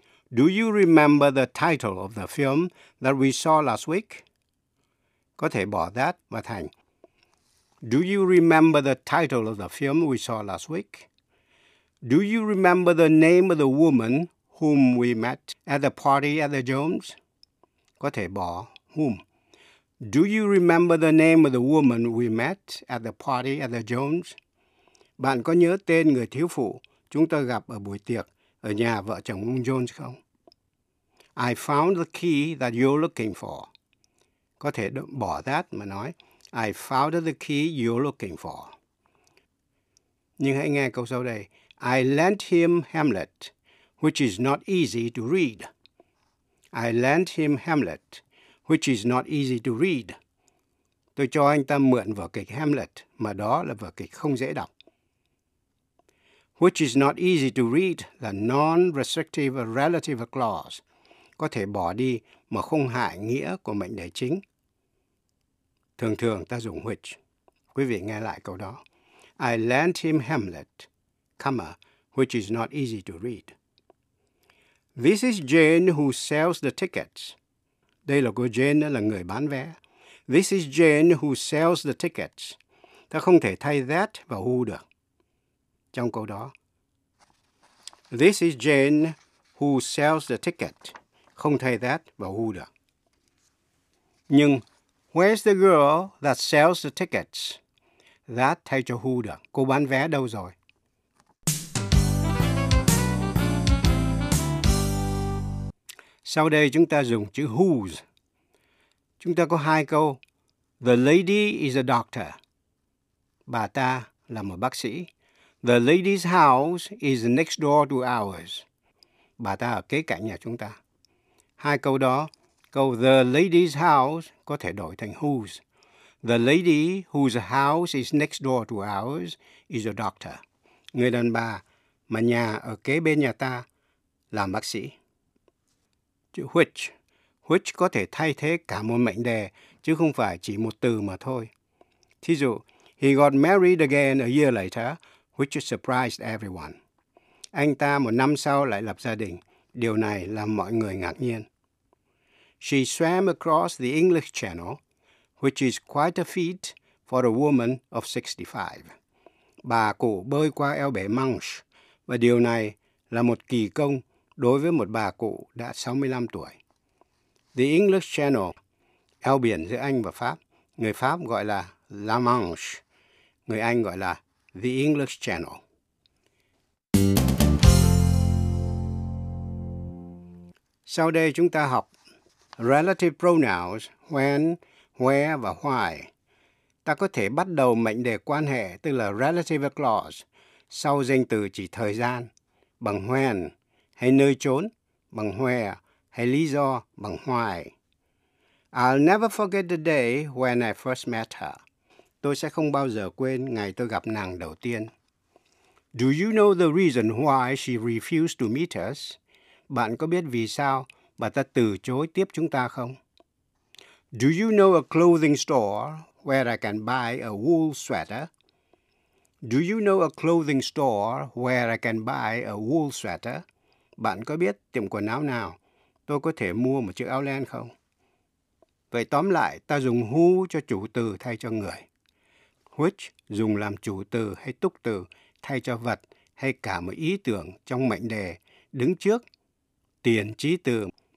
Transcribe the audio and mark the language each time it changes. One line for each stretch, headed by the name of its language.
English: Do you remember the title of the film that we saw last week?
Vietnamese: Có thể bỏ that và thành.
English: Do you remember the title of the film we saw last week? Do you remember the name of the woman whom we met at the party at the Jones?
Vietnamese: Có thể bỏ whom.
English: Do you remember the name of the woman we met at the party at the Jones?
Vietnamese: Bạn có nhớ tên người thiếu phụ chúng ta gặp ở buổi tiệc ở nhà vợ chồng ông Jones không?
English: I found the key that you're looking for.
Vietnamese: Có thể bỏ that mà nói,
English: I found the key you're looking for.
Vietnamese: Nhưng hãy nghe câu sau đây.
English: I lent him Hamlet, which is not easy to read. I lent him Hamlet, which is not easy to read.
Vietnamese: Tôi cho anh ta mượn vở kịch Hamlet, mà đó là vở kịch không dễ đọc.
English: Which is not easy to read
Vietnamese: là non-restrictive relative clause, có thể bỏ đi mà không hại nghĩa của mệnh đề chính. Thường thường ta dùng which. Quý vị nghe lại câu đó.
English: I lent him Hamlet, comma, which is not easy to read. This is Jane who sells the tickets.
Vietnamese: Đây là cô Jane, là người bán vé.
English: This is Jane who sells the tickets.
Vietnamese: Ta không thể thay that vào who được. Trong câu đó,
English: this is Jane who sells the ticket.
Vietnamese: Không thay that vào who được.
English: Nhưng, where's the girl that sells the tickets?
Vietnamese: That thay cho who được. Cô bán vé đâu rồi? Sau đây chúng ta dùng chữ whose. Chúng ta có hai câu.
English: The lady is a doctor.
Vietnamese: Bà ta là một bác sĩ.
English: The lady's house is next door to ours.
Vietnamese: Bà ta ở kế cạnh nhà chúng ta. Hai câu đó, câu
English: the lady's house
Vietnamese: có thể đổi thành whose.
English: The lady whose house is next door to ours is a doctor.
Vietnamese: Người đàn bà mà nhà ở kế bên nhà ta là bác sĩ. Chữ which. Which có thể thay thế cả một mệnh đề, chứ không phải chỉ một từ mà thôi.
English: Thí dụ, he got married again a year later, which surprised everyone.
Vietnamese: Anh ta một năm sau lại lập gia đình. Điều này làm mọi người ngạc nhiên.
English: She swam across the English Channel, which is quite a feat for a woman of 65.
Vietnamese: Bà cụ bơi qua eo bể Manche, và điều này là một kỳ công đối với một bà cụ đã 65 tuổi. The English Channel, eo biển giữa Anh và Pháp, người Pháp gọi là La Manche, người Anh gọi là The English Channel. Sau đây chúng ta học relative pronouns when, where và why. Ta có thể bắt đầu mệnh đề quan hệ, tức là relative clause, sau danh từ chỉ thời gian bằng when, hay nơi chốn bằng where, hay lý do bằng why.
English: I'll never forget the day when I first met her.
Vietnamese: Tôi sẽ không bao giờ quên ngày tôi gặp nàng đầu tiên.
English: Do you know the reason why she refused to meet us?
Vietnamese: Bạn có biết vì sao bà ta từ chối tiếp chúng ta không?
English: Do you know a clothing store where I can buy a wool sweater? Do you know a clothing store where I can buy a wool sweater?
Vietnamese: Bạn có biết tiệm quần áo nào tôi có thể mua một chiếc áo len không? Vậy tóm lại, ta dùng who cho chủ từ thay cho người. Which dùng làm chủ từ hay túc từ thay cho vật hay cả một ý tưởng trong mệnh đề đứng trước, tiền trí từ.